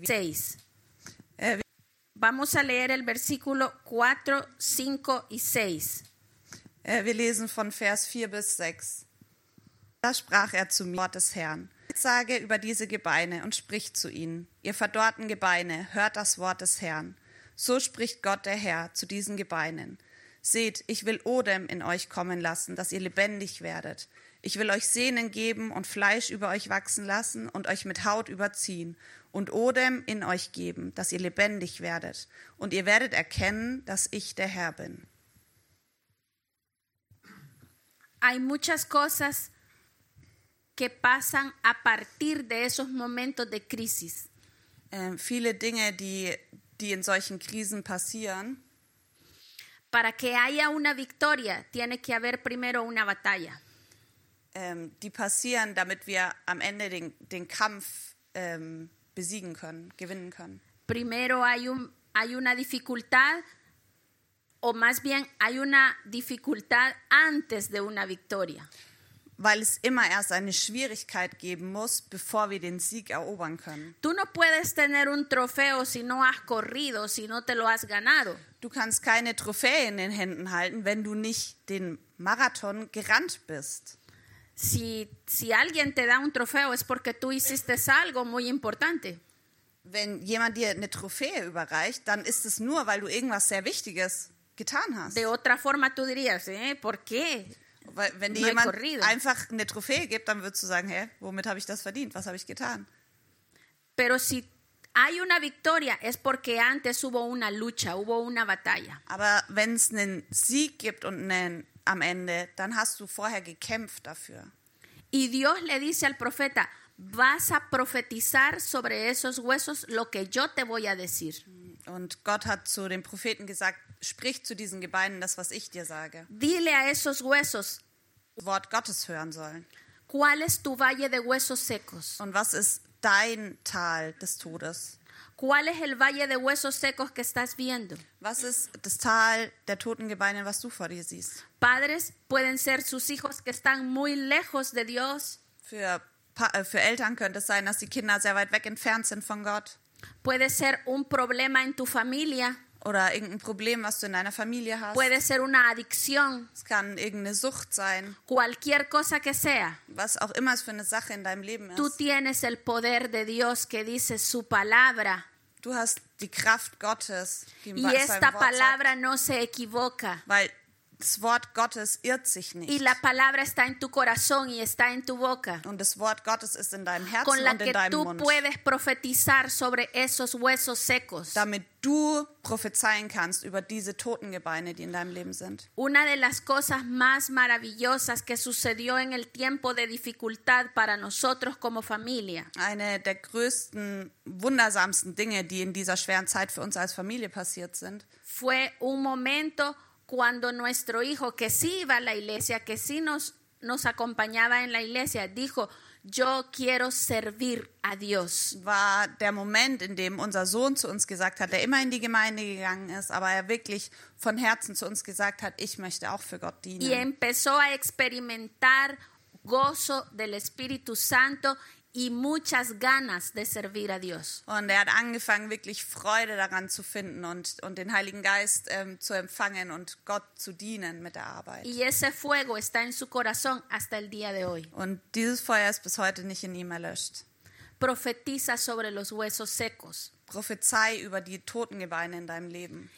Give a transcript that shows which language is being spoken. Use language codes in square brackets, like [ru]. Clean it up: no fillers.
[de] wieder... 6. [es] Vamos a leer el versículo 4, 5 y 6. [de] Wir lesen von Vers 4 bis 6. Da sprach er zu mir, Wort des Herrn, sage über diese Gebeine und sprich zu ihnen, ihr verdorrten Gebeine, hört das Wort des Herrn. So spricht Gott der Herr zu diesen Gebeinen. Seht, ich will Odem in euch kommen lassen, dass ihr lebendig werdet. Ich will euch Sehnen geben und Fleisch über euch wachsen lassen und euch mit Haut überziehen und Odem in euch geben, dass ihr lebendig werdet. Und ihr werdet erkennen, dass ich der Herr bin. [es] Hay muchas cosas que pasan a partir de esos momentos de crisis. [de] Viele Dinge, die in solchen Krisen passieren. [es] Para que haya una victoria, tiene que haber primero una batalla. [de] Die passieren, damit wir am Ende den Kampf besiegen können, gewinnen können. [es] Primero hay una dificultad, o más bien hay una dificultad antes de una victoria. [de] Weil es immer erst eine Schwierigkeit geben muss, bevor wir den Sieg erobern können. [es] Tú no puedes tener un trofeo si no has corrido, si no te lo has ganado. [de] Du kannst keine Trophäe in den Händen halten, wenn du nicht den Marathon gerannt bist. [es] Si alguien te da un trofeo es porque tú hiciste algo muy importante. [de] Wenn jemand dir eine Trophäe überreicht, dann ist es nur, weil du irgendwas sehr Wichtiges getan hast. [es] De otra forma tú dirías, ¿por qué? [de] Wenn dir jemand einfach eine Trophäe gibt, dann würdest du sagen, womit habe ich das verdient? Was habe ich getan? [es] Pero si hay una victoria es porque antes hubo una lucha, hubo una batalla. [de] Aber wenn es einen Sieg gibt und einen am Ende, dann hast du vorher gekämpft dafür. [es] Y Dios le dice al profeta, vas a profetizar sobre esos huesos lo que yo te voy a decir. [de] Und Gott hat zu dem Propheten gesagt, sprich zu diesen Gebeinen das, was ich dir sage. [es] Dile a esos huesos. [de] Wort Gottes hören sollen. [es] ¿Cuál es tu valle de huesos secos? [de] Und was ist dein Tal des Todes? [es] ¿Cuál es el valle de huesos secos que estás viendo? [de] Was ist das Tal der toten Gebeine, was du vor dir siehst? [es] Padres pueden ser sus hijos que están muy lejos de Dios. [de] Für Eltern könnte es sein, dass die Kinder sehr weit weg entfernt sind von Gott. [es] Puede ser un problema en tu familia. [de] Oder irgendein Problem, was du in deiner Familie hast. [es] Puede ser una adicción. [de] Es kann irgendeine Sucht sein. [es] Cualquier cosa que sea. [de] Was auch immer es für eine Sache in deinem Leben ist. [es] Tú tienes el poder de Dios que dice su palabra. [de] Du hast die Kraft Gottes, die [es] y esta palabra no se equivoca. [de] Weil das Wort Gottes irrt sich nicht. [es] Y la palabra está en tu corazón y está en tu boca. [de] Und das Wort Gottes ist in deinem Herzen und in deinem Mund. [es] Con la que tú puedes profetizar sobre esos huesos secos. [de] Damit du prophezeien kannst über diese toten Gebeine, die in deinem Leben sind. [es] Una de las cosas más maravillosas que sucedió en el tiempo de dificultad para nosotros como familia. [de] Eine der größten, wundersamsten Dinge, die in dieser schweren Zeit für uns als Familie passiert sind. [es] Fue un momento cuando nuestro hijo, que sí iba a la iglesia, que sí nos acompañaba en la iglesia, dijo, yo quiero servir a Dios. [de] War der Moment, in dem unser Sohn zu uns gesagt hat, der immer in die Gemeinde gegangen ist, aber er wirklich von Herzen zu uns gesagt hat, ich möchte auch für Gott dienen. [es] Y empezó a experimentar gozo del Espíritu Santo y muchas ganas de servir a Dios. [de] Und er hat angefangen, wirklich Freude daran zu finden und den Heiligen Geist zu empfangen und Gott zu dienen mit der Arbeit. [es] Y ese fuego está en su corazón hasta el día de hoy. [de] Und dieses Feuer ist bis heute nicht in ihm erlöscht. [es] Profetiza sobre los huesos secos. [de] Prophezei über die toten Gebeine in deinem Leben.